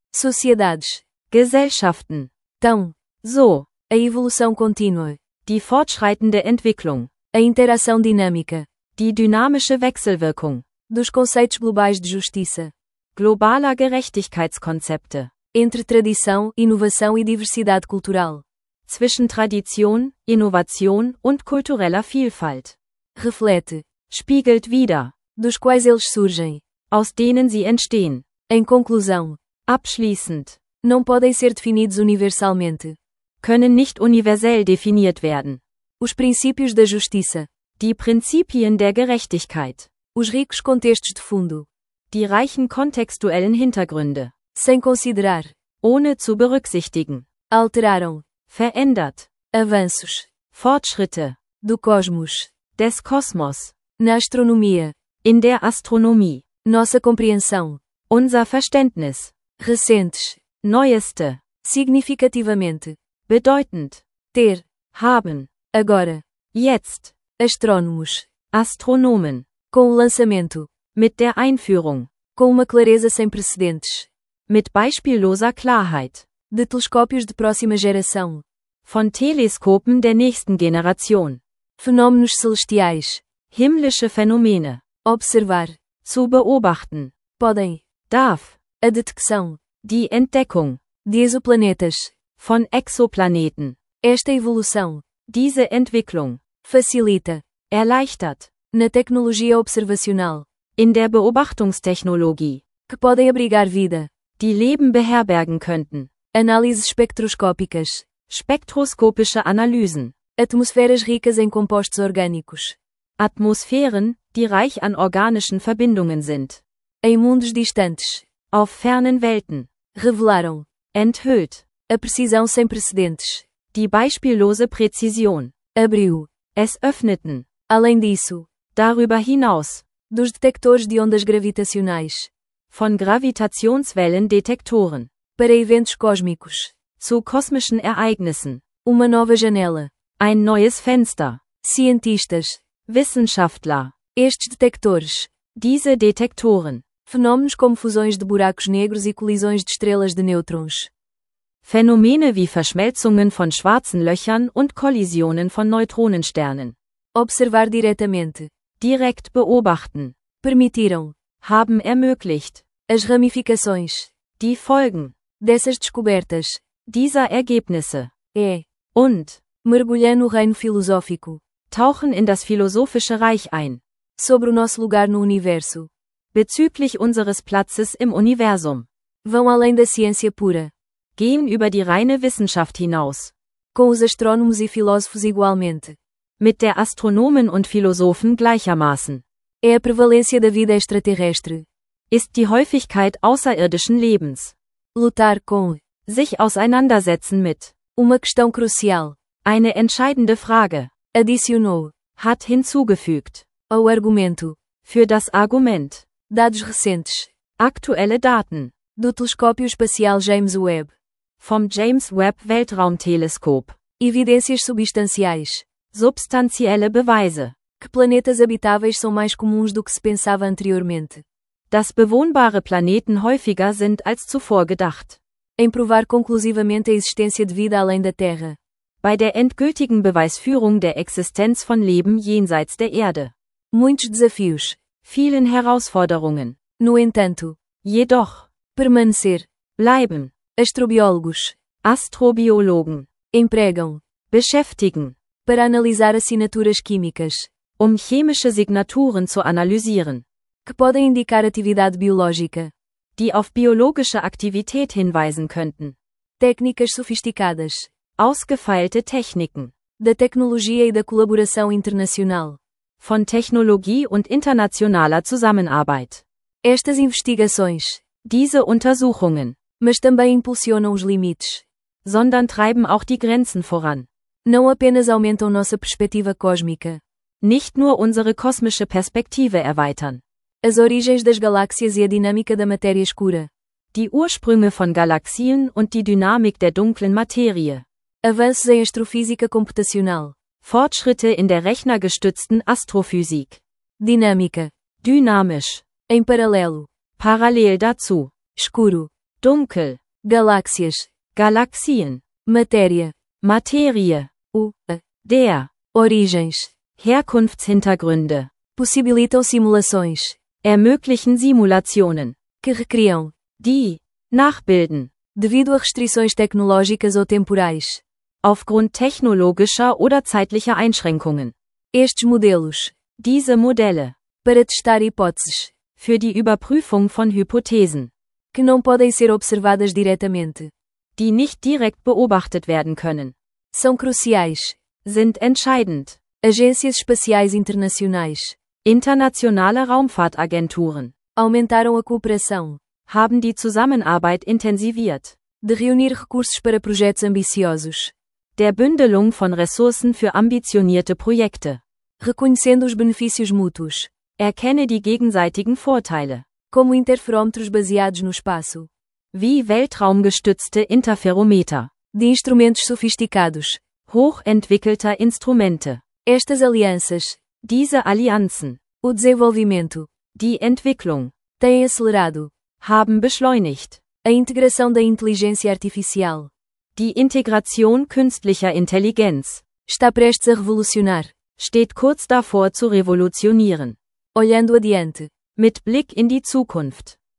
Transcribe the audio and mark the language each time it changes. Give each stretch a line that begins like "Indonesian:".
Portuguese: Sociedades.
German: Gesellschaften.
Portuguese: Tão.
German: So.
Portuguese: A evolução contínua.
German: Die fortschreitende Entwicklung.
Portuguese: A interação dinâmica.
German: Die dynamische Wechselwirkung.
Portuguese: Dos conceitos globais de justiça.
German: Globaler Gerechtigkeitskonzepte.
Portuguese: Entre tradição, inovação e diversidade cultural.
German: Zwischen Tradition, Innovation und kultureller Vielfalt.
Portuguese: Reflete.
German: Spiegelt wider.
Portuguese: Dos quais eles surgem.
German: Aus denen sie entstehen.
Portuguese: Em conclusão.
German: Abschließend.
Portuguese: Não podem ser definidos universalmente.
German: Können nicht universell definiert werden.
Portuguese: Os princípios da justiça.
German: Die Prinzipien der Gerechtigkeit.
Portuguese: Os ricos contextos de fundo.
German: Die reichen kontextuellen Hintergründe.
Portuguese: Sem considerar.
German: Ohne zu berücksichtigen.
Portuguese: Alteraram.
German: Verändert.
Portuguese: Avanços.
German: Fortschritte.
Portuguese: Do cosmos.
German: Des cosmos.
Portuguese: Na astronomia.
German: In der Astronomie.
Portuguese: Nossa compreensão.
German: Unser Verständnis.
Portuguese: Recentes.
German: Neueste.
Portuguese: Significativamente.
German: Bedeutend.
Portuguese: Ter.
German: Haben.
Portuguese: Agora.
German: Jetzt.
Portuguese: Astrônomos.
German: Astronomen.
Portuguese: Com o lançamento.
German: Mit der Einführung.
Portuguese: Com uma clareza sem precedentes.
German: Mit beispielloser Klarheit.
Portuguese: De telescópios de próxima geração.
German: Von Teleskopen der nächsten Generation.
Portuguese: Fenômenos celestiais.
German: Himmlische Phänomene.
Portuguese: Observar.
German: Zu beobachten.
Portuguese: Podem.
German: Darf.
Portuguese: A detecção.
German: Die Entdeckung.
Portuguese: De exoplanetas.
German: Von Exoplaneten.
Portuguese: Esta evolução.
German: Diese Entwicklung.
Portuguese: Facilita.
German: Erleichtert.
Portuguese: Na tecnologia observacional.
German: In der Beobachtungstechnologie.
Portuguese: Que podem abrigar vida.
German: Die Leben beherbergen könnten.
Portuguese: Análises espectroscópicas.
German: Spektroskopische Analysen.
Portuguese: Atmosferas ricas em compostos orgânicos.
German: Atmosphären, die reich an organischen Verbindungen sind.
Portuguese: Em mundos distantes.
German: Auf fernen Welten.
Portuguese: Revelaram.
German: Enthüllt.
Portuguese: A precisão sem precedentes.
German: Die beispiellose Präzision.
Portuguese: Abriu.
German: Es öffneten.
Portuguese: Além disso.
German: Darüber hinaus.
Portuguese: Dos detectores de ondas gravitacionais.
German: Von Gravitationswellendetektoren.
Portuguese: Para eventos cósmicos.
German: Zu kosmischen Ereignissen.
Portuguese: Uma nova janela.
German: Ein neues Fenster.
Portuguese: Cientistas.
German: Wissenschaftler.
Portuguese: Estes detectores.
German: Diese Detektoren.
Portuguese: Fenômenos como fusões de buracos negros e colisões de estrelas de nêutrons.
German: Phänomene wie Verschmelzungen von schwarzen Löchern und Kollisionen von Neutronensternen.
Portuguese: Observar diretamente.
German: Direkt beobachten.
Portuguese: Permitiram.
German: Haben ermöglicht.
Portuguese: As ramificações.
German: Die Folgen.
Portuguese: Dessas descobertas.
German: Dieser Ergebnisse.
Portuguese: É.
German: Und.
Portuguese: Mergulhar no reino filosófico.
German: Tauchen in das philosophische Reich ein.
Portuguese: Sobre o nosso lugar no universo.
German: Bezüglich unseres Platzes im Universum.
Portuguese: Vão além da ciência pura.
German: Gehen über die reine Wissenschaft hinaus.
Portuguese: Com os astrônomos e filósofos igualmente.
German: Mit der Astronomen und Philosophen gleichermaßen.
Portuguese: É a prevalência da vida extraterrestre.
German: Ist die Häufigkeit außerirdischen Lebens.
Portuguese: Lutar com.
German: Sich auseinandersetzen mit.
Portuguese: Uma questão crucial.
German: Eine entscheidende Frage.
Portuguese: Adicionou.
German: Hat hinzugefügt.
Portuguese: Ao argumento.
German: Für das Argument.
Portuguese: Dados recentes.
German: Aktuelle Daten.
Portuguese: Do telescópio espacial James Webb.
German: Vom James Webb Weltraumteleskop.
Portuguese: Evidências substanciais.
German: Substanzielle Beweise.
Portuguese: Que planetas habitáveis são mais comuns do que se pensava anteriormente?
German: Dass bewohnbare Planeten häufiger sind als zuvor gedacht.
Portuguese: Em provar conclusivamente a existência de vida além da Terra.
German: Bei der endgültigen Beweisführung der Existenz von Leben jenseits der Erde.
Portuguese: Muitos desafios.
German: Vielen Herausforderungen.
Portuguese: No entanto.
German: Jedoch.
Portuguese: Permanecer.
German: Bleiben.
Portuguese: Astrobiólogos.
German: Astrobiologen.
Portuguese: Empregam.
German: Beschäftigen.
Portuguese: Para analisar assinaturas químicas.
German: Chemische Signaturen zu analysieren.
Portuguese: Que podem indicar atividade biológica.
German: Die auf biologische Aktivität hinweisen könnten.
Portuguese: Técnicas sofisticadas.
German: Ausgefeilte Techniken.
Portuguese: Da tecnologia e da colaboração internacional.
German: Von Technologie und internationaler Zusammenarbeit.
Portuguese: Estas investigações.
German: Diese Untersuchungen.
Portuguese: Mas também impulsionam os limites.
German: Sondern treiben auch die Grenzen voran.
Portuguese: Não apenas aumentam nossa perspectiva cósmica.
German: Nicht nur unsere kosmische Perspektive erweitern.
Portuguese: As origens das galáxias e a dinâmica da matéria escura.
German: Die Ursprünge von Galaxien und die Dynamik der dunklen Materie.
Portuguese: Avanços em astrofísica computacional.
German: Fortschritte in der rechnergestützten Astrophysik.
Portuguese: Dinâmica.
German: Dynamisch.
Portuguese: Em paralelo.
German: Parallel dazu.
Portuguese: Escuro.
German: Dunkel.
Portuguese: Galáxias.
German: Galaxien.
Portuguese: Matéria.
German: Materie. Der.
Portuguese: Origens.
German: Herkunftshintergründe.
Portuguese: Possibilitam simulações.
German: Ermöglichen Simulationen.
Portuguese: Que recriam.
German: Die. Nachbilden.
Portuguese: Devido a restrições tecnológicas ou temporais.
German: Aufgrund technologischer oder zeitlicher Einschränkungen.
Portuguese: Estes modelos.
German: Diese Modelle.
Portuguese: Para testar hipóteses.
German: Für die Überprüfung von Hypothesen.
Portuguese: Que não podem ser observadas diretamente.
German: Die nicht direkt beobachtet werden können.
Portuguese: São cruciais.
German: Sind entscheidend.
Portuguese: Agências espaciais internacionais.
German: Internationale Raumfahrtagenturen.
Portuguese: Aumentaram a cooperação.
German: Haben die Zusammenarbeit intensiviert.
Portuguese: De reunir recursos para projetos ambiciosos.
German: der Bündelung von Ressourcen für ambitionierte Projekte.
Portuguese: Reconhecendo os benefícios mútuos.
German: Erkenne die gegenseitigen Vorteile.
Portuguese: Como interferômetros baseados no espaço.
German: Wie weltraumgestützte Interferometer.
Portuguese: De instrumentos sofisticados.
German: Hochentwickelter Instrumente.
Portuguese: Estas alianças.
German: Diese Allianzen.
Portuguese: O desenvolvimento.
German: Die Entwicklung.
Portuguese: Têm acelerado.
German: Haben beschleunigt.
Portuguese: A integração da inteligência artificial.
German: Die Integration künstlicher Intelligenz.
Portuguese: Está prestes a revolucionar.
German: Steht kurz davor zu revolutionieren.
Portuguese: Olhando adiante.
German: Mit Blick in die Zukunft.